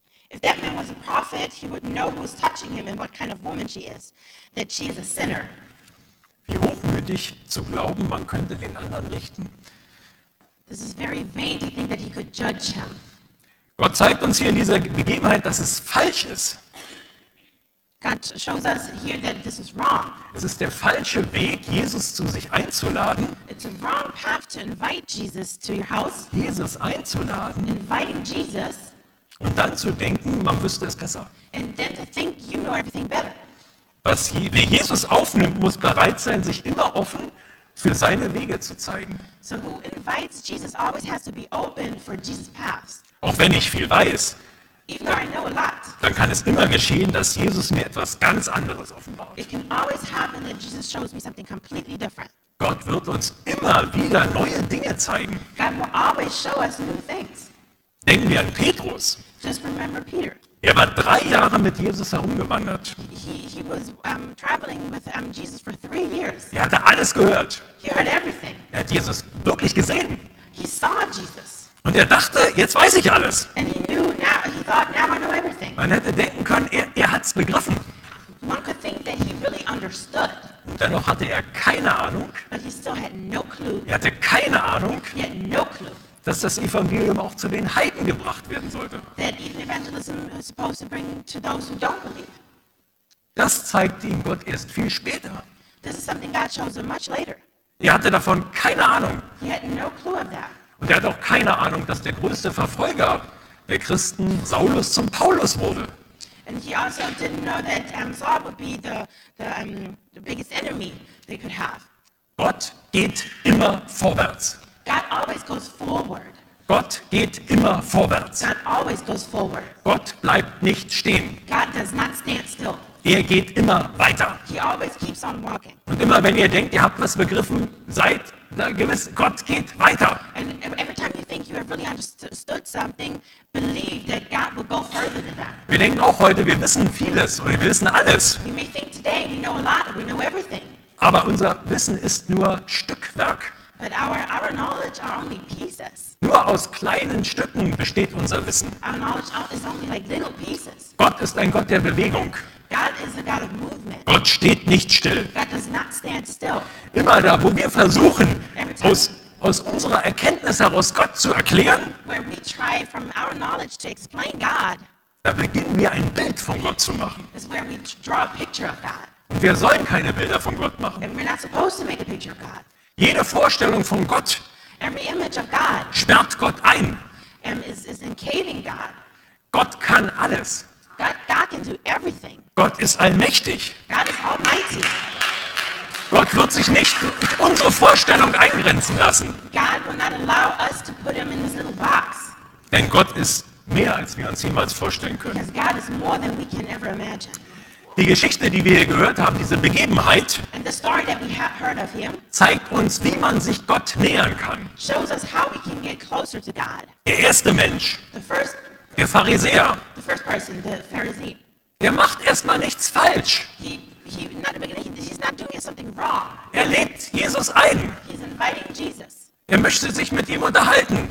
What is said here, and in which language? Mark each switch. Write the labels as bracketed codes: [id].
[en] If that man was a prophet, he would know who's touching him and what kind of woman she is, that she is a sinner. [de] Wie hochmütig zu glauben, man könnte den anderen richten. [en] This is very vain to think that he could judge him. [de] Gott zeigt uns hier in dieser Begebenheit, dass es falsch ist. [en] God shows us here that this is wrong. [de] Es ist der falsche Weg, Jesus zu sich einzuladen. [en] It's a wrong path to invite Jesus to your house. [de] Jesus einzuladen. [en] Inviting Jesus. [de] Und dann zu denken, man wüsste es besser. [en] And then to think you know everything better. [de] Wer Jesus aufnimmt, muss bereit sein, sich immer offen für seine Wege zu zeigen. [en] So who invites Jesus always has to be open for Jesus' paths. [de] Auch wenn ich viel weiß. [en] Even though I know a lot. [de] Dann kann es immer geschehen, dass Jesus mir etwas ganz anderes offenbart. [en] It can always happen that Jesus shows me something completely different. [de] Gott wird uns immer wieder neue Dinge zeigen. [en] God will always show us new things. [de] Denken wir an Petrus. [en] Just remember Peter. [de] Er war 3 Jahre mit Jesus herumgewandert. [en] He was traveling with Jesus for 3 years. [de] Er hatte alles gehört. [en] He heard everything. [de] Er hat Jesus wirklich gesehen. [en] He saw Jesus. [de] Und er dachte, jetzt weiß ich alles. [en] And he knew now, he thought, now I know everything. [de] Man hätte denken können, er hat es begriffen. [en] One could think that he really understood. [de] Und dennoch hatte er keine Ahnung. [en] But he still had no clue. [de] Er hatte keine Ahnung, [en] he had no clue, [de] dass das Evangelium auch zu den Heiden gebracht werden sollte. [en] That even evangelism is supposed to bring to those who don't believe. [de] Das zeigt ihm Gott erst viel später. [en] This is something God shows him much later. [de] Er hatte davon keine Ahnung. [en] He had no clue of that. [de] Und er hat auch keine Ahnung, dass der größte Verfolger der Christen Saulus zum Paulus wurde. [en] And he also didn't know that Saul would be the biggest enemy they could have. [de] Gott geht immer vorwärts. [en] God always goes forward. [de] Gott geht immer vorwärts. [en] God always goes forward. [de] Gott bleibt nicht stehen. [en] God does not stand still. [de] Er geht immer weiter. [en] He always keeps on walking. [de] Und immer wenn ihr denkt, ihr habt was begriffen, seid na gewiss, Gott geht weiter. [en] And every time you think you have really understood something, believe that God will go further than that. [de] Wir denken auch heute, wir wissen vieles oder wir wissen alles. [en] We may think today we know a lot, we know everything. [de] Aber unser Wissen ist nur Stückwerk. [en] But our knowledge are only pieces. [de] Nur aus kleinen Stücken besteht unser Wissen. [en] Our knowledge is only like little pieces. [de] Gott ist ein Gott der Bewegung. [en] God is a God of movement. [de] Gott steht nicht still. [en] God does not stand still. [de] Immer da, wo wir versuchen, aus unserer Erkenntnis heraus Gott zu erklären, [en] where we try try from our knowledge to explain God. [de] Da beginnen wir ein Bild von Gott zu machen. [en] Is where we draw a picture of God. [de] Und wir sollen keine Bilder von Gott machen. [en] And we're not supposed to make a picture of God. [de] Jede Vorstellung von Gott. [en] Every image of God. [de] Sperrt Gott ein. [en] Is encaging God. [de] Gott kann alles. [en] God can do everything. [de] Gott ist allmächtig. [en] God is almighty. [de] Gott wird sich nicht unsere Vorstellung eingrenzen lassen. [en] God will not allow us to put him in this little box. [de] Denn Gott ist mehr, als wir uns jemals vorstellen können. [en] Because God is more than we can ever imagine. [de] Die Geschichte, die wir hier gehört haben, diese Begebenheit, [en] and the story that we have heard of him, [de] zeigt uns, wie man sich Gott nähern kann. [en] Shows us how we can get closer to God. [de] Der erste Mensch, der Pharisäer, [en] the first person, the Pharisee, [de] der macht erstmal nichts falsch. [en] He's not doing something wrong. [de] Er lädt Jesus ein. [en] He's inviting Jesus. [de] Er möchte sich mit ihm unterhalten.